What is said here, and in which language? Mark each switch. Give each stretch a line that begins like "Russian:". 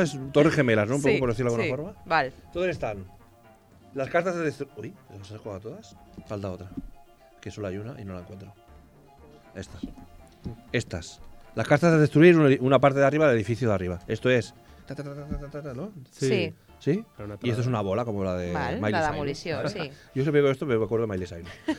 Spanish: És Torres Gemelas, no? Un poco, sí, por decirlo de alguna forma. Vale.
Catalan: Totes estan. Les cartes de destrucció... Ui, les has jugat totes?
Spanish: Falta otra. Que solo hay una y no la encuentro. Estas. Estas. Las cartas de destruir una parte de arriba del edificio de arriba. Esto es. ¿No? Sí. ¿Sí? Y esto es una bola como la de Miley Cyrus. La de demolición, sí. Yo siempre veo esto, me acuerdo de Miley Cyrus.